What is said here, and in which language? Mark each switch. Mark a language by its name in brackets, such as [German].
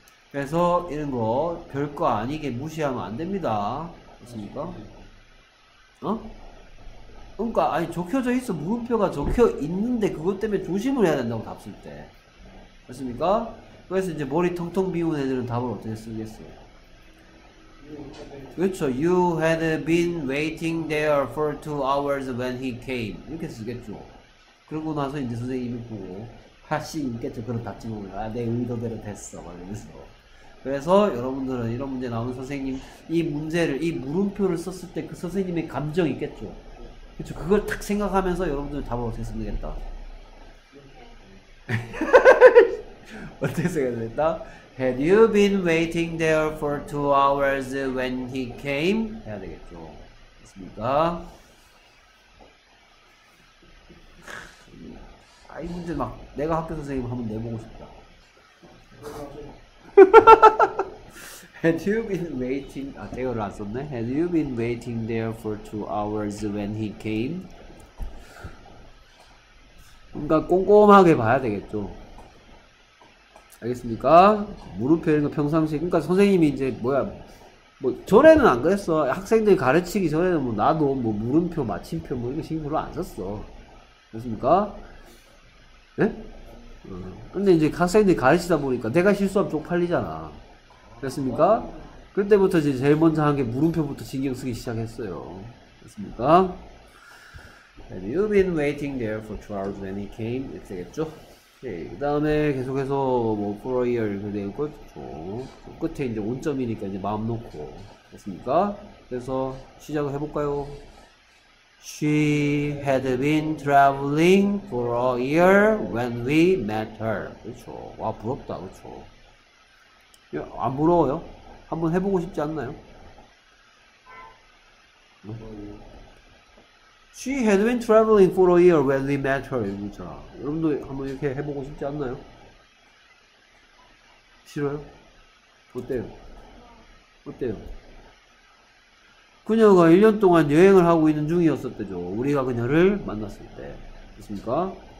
[Korean] 그래서 이런 거 별거 아니게 무시하면 안 됩니다. 됐습니까? 어? 그러니까 아니 적혀져 있어. 물음표가 적혀 있는데 그것 때문에 조심을 해야 된다고 답 쓸 때. 맞습니까? 그래서 이제 머리 텅텅 비운 애들은 답을 어떻게 쓰겠어요? 그렇죠. [English] You had been waiting there for two hours when he came. [Korean] 이렇게 쓰겠죠. 그러고 나서 이제 선생님이 보고 하씨 있겠죠. 그런 답 지금 아, 내 의도대로 됐어. 그래서. 그래서 여러분들은 이런 문제 나오는 선생님 이 문제를 이 물음표를 썼을 때 그 선생님의 감정 있겠죠. 그렇죠. 그걸 탁 생각하면서 여러분들 답을 어떻게 쓰면 되겠다. 어떻게 쓰면 되겠다. [English] Had you been waiting there for two hours when he came? [Korean] 해야 되겠죠. 됐습니까? 아, 이 문제 막 내가 학교 선생님 한번 내보고 싶다. [English] Had you been waiting? [Korean] 아, 제가 안 썼네. [English] Had you been waiting there for two hours when he came? [Korean] 뭔가 꼼꼼하게 봐야 되겠죠. 알겠습니까? 물음표 이런 거 평상시에. 그러니까 선생님이 이제 뭐야? 뭐 전에는 안 그랬어. 학생들 가르치기 전에는 뭐 나도 뭐 물음표, 마침표 뭐 이런 거 신경 별로 안 썼어. 알겠습니까? 네? 근데 이제 학생들이 가르치다 보니까 내가 실수하면 쪽팔리잖아. 됐습니까? 그때부터 이제 제일 먼저 한 게 물음표부터 신경 쓰기 시작했어요. 됐습니까? [English] Have you been waiting there for 2 hours when he came? [Korean] 이렇게 되겠죠? 그 다음에 계속해서 뭐 [English] for a year [Korean] 이렇게 되는 거죠. 끝에 이제 온점이니까 이제 마음 놓고. 됐습니까? 그래서 시작을 해볼까요? [English] She had been traveling for a year when we met her. [Korean] 그렇죠. 와, 부럽다. 그렇죠. 야, 안 부러워요? 한번 해보고 싶지 않나요? 응? [English] She had been traveling for a year when we met her. [Korean] 그렇죠. 여러분도 한번 이렇게 해보고 싶지 않나요? 싫어요? 어때요? 어때요? 그녀가 1년 동안 여행을 하고 있는 중이었었대죠. 우리가 그녀를 만났을 때. 됐습니까?